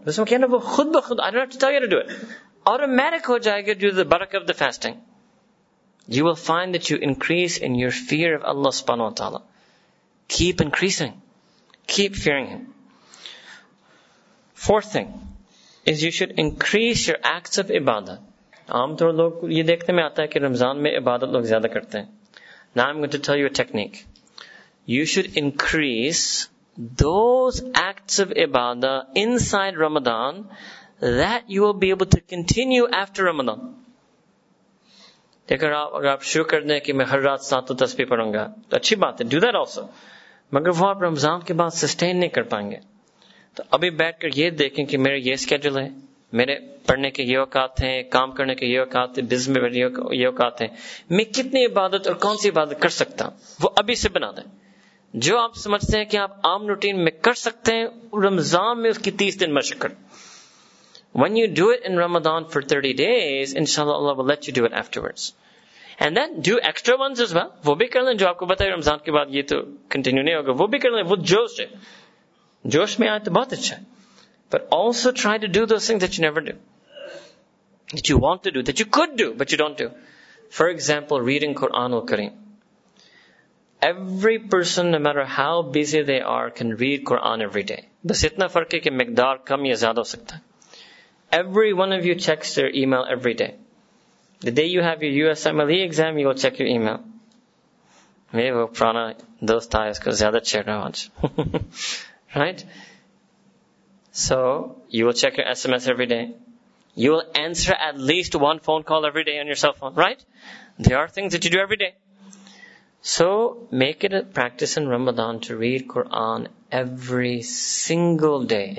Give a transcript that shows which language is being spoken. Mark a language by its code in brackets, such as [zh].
[ur] اس میں کہنا وہ خود بخود, [en] I don't have to tell you to do it. Automatic [ur] ہو جائے گا [en] due to the barakah of the fasting. You will find that you increase in your fear of Allah سبحانہ وتعالی. Keep increasing. Keep fearing Him. Fourth thing is you should increase your acts of ibadah. [ur] عام طور لوگ یہ دیکھنے میں آتا ہے کہ رمضان میں عبادت لوگ زیادہ کرتے ہیں. [en] Now I'm going to tell you a technique. You should increase those acts of ibadah inside Ramadan that you will be able to continue after Ramadan. [ur] دیکھر آپ اگر آپ شروع کر دیں کہ میں ہر رات ساتو تسبیح پڑھوں گا تو اچھی بات ہے, [en] do that also. [ur] مگر وہ آپ رمضان کے بعد سسٹین نہیں کر پائیں گے. ابھی بیٹھ کر یہ دیکھیں کہ میرے یہ اسکیڈول ہے, میرے پڑھنے کے یہ اوقات ہیں, کام کرنے کے یہ اوقات ہیں, بزنس میں یہ اوقات ہیں, میں کتنی عبادت اور کون سی عبادت کر سکتا ہوں, وہ ابھی سے بنا دیں. جو آپ سمجھتے ہیں کہ آپ عام روٹین میں کر سکتے ہیں رمضان میں اس کی 30 دن مشق کر. [en] When you do it in Ramadan for 30 days, inshallah Allah will let you do it afterwards. And then do extra ones as well. [ur] وہ بھی کر لیں جو آپ کو بتائے رمضان کے بعد یہ تو کنٹینیو نہیں ہوگا, وہ بھی کر لیں, وہ جوش ہے, جوش میں آئے تو بہت اچھا ہے. [en] But also try to do those things that you never do, that you want to do, that you could do, but you don't do. For example, reading Quran al-Kareem. Every person, no matter how busy they are, can read Quran every day. [ur] بس اتنا فرق ہے کہ مقدار کم یا زیادہ ہو سکتا ہے. [en] Every one of you checks their email every day. The day you have your USMLE exam, you will check your email. [ur] میرے وہ پرانا دوست آئے اس کو زیادہ چھیڑ رہا آج. [en] Right? So, you will check your SMS every day. You will answer at least one phone call every day on your cell phone, right? There are things that you do every day. So, make it a practice in Ramadan to read Quran every single day.